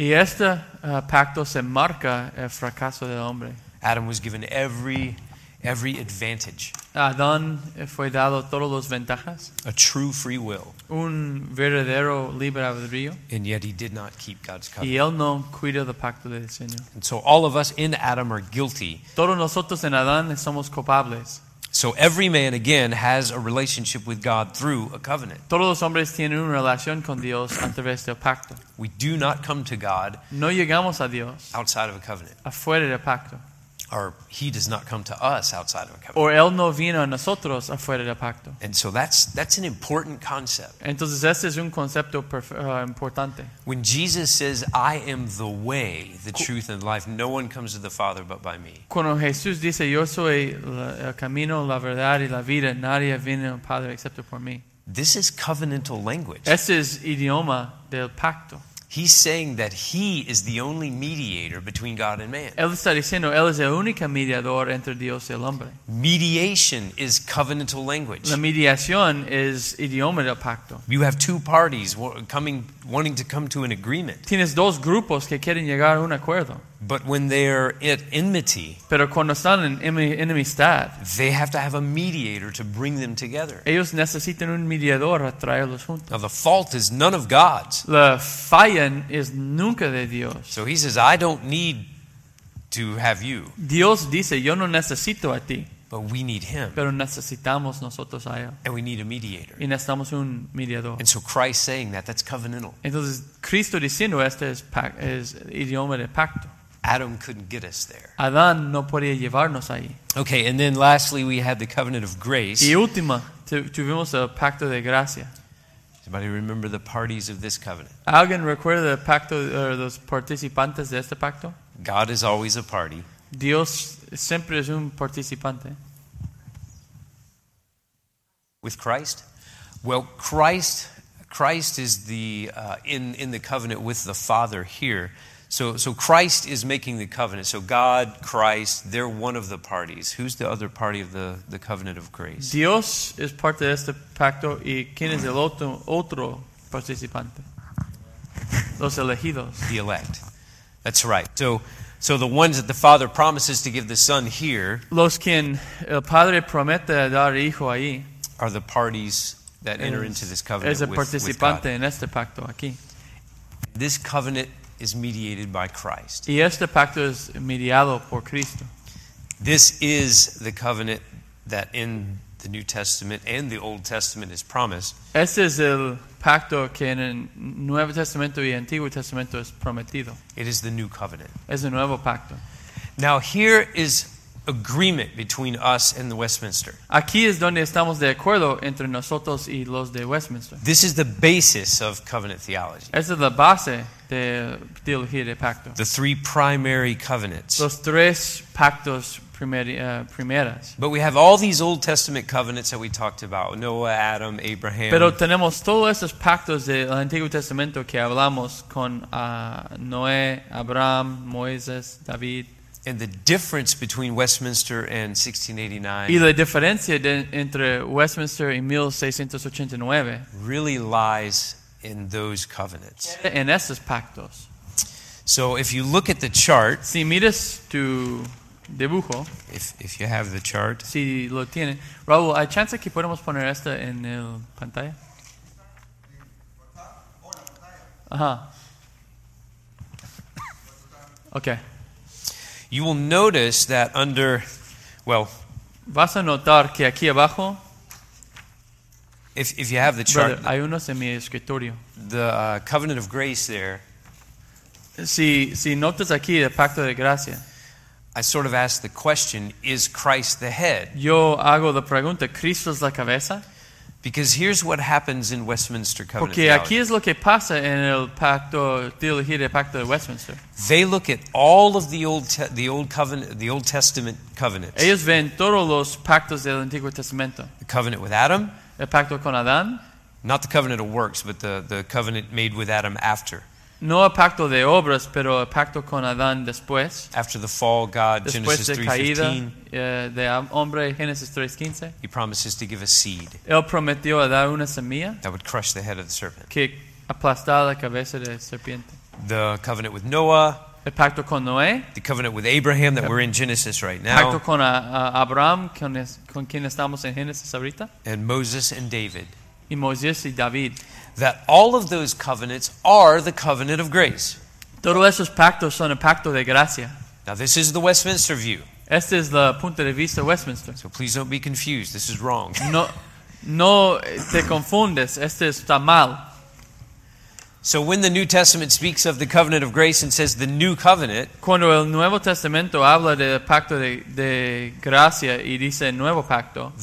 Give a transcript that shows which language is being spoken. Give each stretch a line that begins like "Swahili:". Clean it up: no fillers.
Spanish: Y este pacto se marca el fracaso del hombre.
English: Adam was given every advantage.
Spanish: Adán fue dado todas las ventajas.
English: A true free will.
Spanish: Un verdadero libre albedrío.
English: And yet he did not keep God's covenant.
Spanish: Y él no cuidó el pacto del Señor.
English: And so all of us in Adam are guilty.
Spanish: Todos nosotros en Adán somos culpables.
English: So every man again has a relationship with God through a covenant.
Spanish: Todos los hombres tienen una relación con Dios a través del pacto.
English: We do not come to God.
Spanish: No llegamos a Dios.
English: Outside of a covenant.
Spanish: Afuera del pacto.
English: Or he does not come to us outside of a covenant. Or
Spanish: él no vino a nosotros afuera del pacto.
English: And so that's an important concept.
Spanish: Entonces este es un concepto importante.
English: When Jesus says, "I am the way, the truth, and life," no one comes to the Father but by me.
Spanish: Cuando Jesús dice, "Yo soy el camino, la verdad y la vida," nadie viene al Padre excepto por mí.
English: This is covenantal language.
Spanish: Este es idioma del pacto.
English: He's saying that he is the only mediator between God and man.
Spanish: Él está diciendo, él es el único mediador entre Dios y el hombre.
English: Mediation is covenantal language.
Spanish: La mediación es idioma del pacto.
English: You have two parties wanting to come to an agreement.
Spanish: Tienes dos grupos que quieren llegar a un acuerdo.
English: But when they're at enmity,
Spanish: pero cuando están en enemistad,
English: they have to have a mediator to bring them together.
Spanish: Ellos necesitan un mediador a traerlos juntos.
English: Now the fault is none of God's.
Spanish: La falla es nunca de Dios.
English: So he says, "I don't need to have you."
Spanish: Dios dice, "Yo no necesito a ti."
English: But we need him.
Spanish: Pero necesitamos nosotros a él.
English: And we need a mediator.
Spanish: Y necesitamos un mediador.
English: And so Christ saying that, that's covenantal.
Spanish: Entonces Cristo diciendo este es idioma de pacto.
English: Adam couldn't get us there.
Spanish: Adán no podía llevarnos ahí.
English: Okay, and then lastly we had the covenant of grace.
Spanish: Y última, tuvimos el pacto de gracia.
English: Anybody remember the parties of this covenant?
Spanish: ¿Alguien recuerda el pacto
English: or
Spanish: los participantes de este pacto?
English: God is always a party.
Spanish: Dios siempre es un participante.
English: With Christ? Well, Christ is the in the covenant with the Father here. So Christ is making the covenant. So God, Christ, they're one of the parties. Who's the other party of the covenant of grace?
Spanish: Dios es parte de este pacto y quién es el otro participante? Los elegidos.
English: The elect. That's right. So the ones that the Father promises to give the Son here.
Spanish: Los quien el Padre promete dar hijo ahí.
English: Are the parties that enter into this covenant with God.
Spanish: Es el participante en este pacto aquí.
English: This covenant is mediated by Christ.
Spanish: Y este pacto es mediado por Cristo.
English: This is the covenant that in the New Testament and the Old Testament is promised.
Spanish: Este es el pacto que en el Nuevo Testamento y Antiguo Testamento es prometido.
English: It is the new covenant.
Spanish: Es el nuevo pacto.
English: Now here is agreement between us and the Westminster.
Spanish: Aquí es donde estamos de acuerdo entre nosotros y los de Westminster.
English: This is the basis of covenant theology.
Spanish: Esa es la base de teología de pacto.
English: The three primary covenants.
Spanish: Los tres pactos primeras.
English: But we have all these Old Testament covenants that we talked about. Noah, Adam, Abraham.
Spanish: Pero tenemos todos esos pactos del Antiguo Testamento que hablamos con Noé, Abraham, Moisés, David.
English: And the difference between Westminster and 1689.
Spanish: Y la diferencia entre Westminster y 1689
English: really lies in those covenants.
Spanish: En esos pactos.
English: So if you look at the chart,
Spanish: si miras tu dibujo,
English: if you have the chart,
Spanish: si lo tiene, Raúl, ¿hay chance que podemos poner esto en el pantalla? Ajá. Okay.
English: You will notice that under, well,
Spanish: vas a notar que aquí abajo,
English: if you have the chart, brother,
Spanish: hay unos en mi escritorio.
English: The covenant of grace there.
Spanish: Si notas aquí el pacto de gracia.
English: I sort of ask the question: is Christ the head?
Spanish: Yo hago la pregunta: ¿Cristo es la cabeza?
English: Because here's what happens in Westminster Covenant.
Spanish: Porque aquí es lo que pasa en el pacto, teología del pacto de Westminster.
English: They look at all of the Old Testament covenants.
Spanish: Ellos ven todos los pactos del Antiguo Testamento.
English: The covenant with Adam.
Spanish: El pacto con Adán.
English: Not the covenant of works, but the covenant made with Adam after.
Spanish: No el pacto de obras, pero el pacto con Adán después.
English: After the fall, God,
Spanish: después
English: Genesis
Spanish: 3:15. De hombre, Genesis 3:15.
English: He promises to give a seed.
Spanish: Él prometió a dar una semilla.
English: That would crush the head of the serpent.
Spanish: Que aplastara la cabeza de serpiente.
English: The covenant with Noah.
Spanish: El pacto con Noé.
English: The covenant with Abraham that we're in Genesis right now.
Spanish: Pacto con Abraham, con quien estamos en Génesis ahorita.
English: And Moses and David.
Spanish: Y Moisés y David.
English: That all of those covenants are the covenant of grace.
Spanish: Todos esos pactos son el pacto de gracia.
English: Now this is the Westminster view.
Spanish: Este es la punto de vista Westminster.
English: So please don't be confused. This is wrong.
Spanish: No te confundes. Este está mal.
English: So when the New Testament speaks of the covenant of grace and says the new covenant,
Spanish: cuando el Nuevo Testamento habla del pacto de gracia y dice nuevo pacto,